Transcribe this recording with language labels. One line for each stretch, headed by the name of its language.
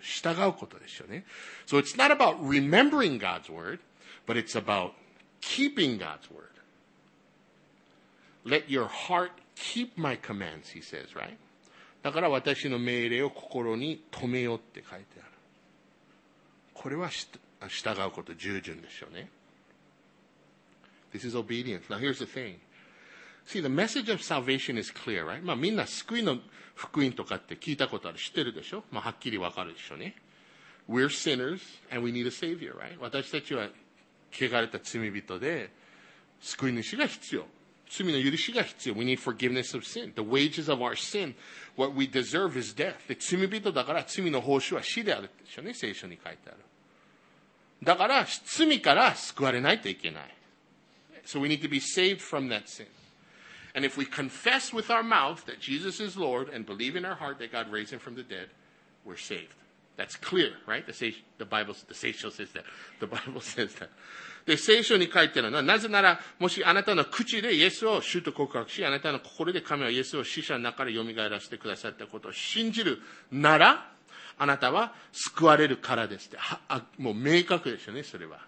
Japanese: 従うことでしょうね。
English: So it's not about remembering God's word, but it's about keeping God's word. Let your heart keep my commands, he says, right?
Japanese: だから、私の命令を心に留めようって書いてある。これは従うこと、従順でしょうね。
English: This is obedience. Now here's the thing. See, the message of salvation is clear, right?
Japanese: まあみんな救いの福音とかって聞いたことある、知ってるでしょ？まあはっきりわかるでしょうね。
English: We're sinners and we need a savior, right?
Japanese: 私たちは汚れた罪人で救い主が必要。罪の許しが必要。
English: We need forgiveness of sin. The wages of our sin, what we deserve is death.
Japanese: で、罪人だから罪の報酬は死であるでしょうね。聖書に書いてある。だから罪から救われないといけない。
English: So we need to be saved from that sin. And if we confess with our mouth that Jesus is Lord and believe in our heart that God raised him from the dead, we're saved. That's clear, right? The Bible says that. The Bible says that.
Japanese: で、聖書に書いてるのは、なぜなら、もしあなたの口でイエスを主と告白し、あなたの心で神はイエスを死者の中から蘇らせてくださったことを信じるなら、あなたは救われるからですって。もう明確ですよね、それは。